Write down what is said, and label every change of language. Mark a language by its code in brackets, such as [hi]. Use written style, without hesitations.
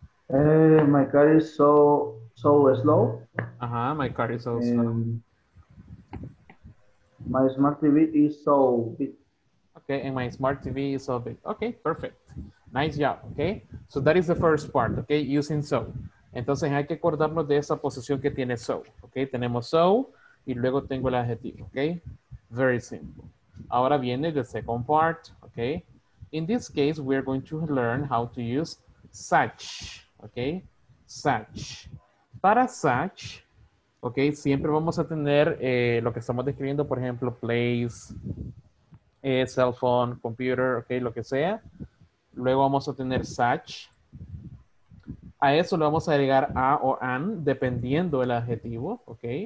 [en] My car is so slow. Uh-huh, my car is so slow. My smart TV is so big. Okay, and my smart TV is so big. Okay, perfect. Nice job, okay? So that is the first part, okay? Using so. [es] Entonces hay que acordarnos de esa posición que tiene so, okay? Tenemos so y luego tengo el adjetivo, okay? [en] Very simple. [es] Ahora viene [en] the second part, okay? In this case, we are going to learn how to use such, okay? Such. [es] Para such, okay, siempre vamos a tener lo que estamos describiendo, por ejemplo, place, cell phone, computer, okay, lo que sea. Luego vamos a tener such. A eso le vamos a agregar a o an, dependiendo del adjetivo, ¿ok?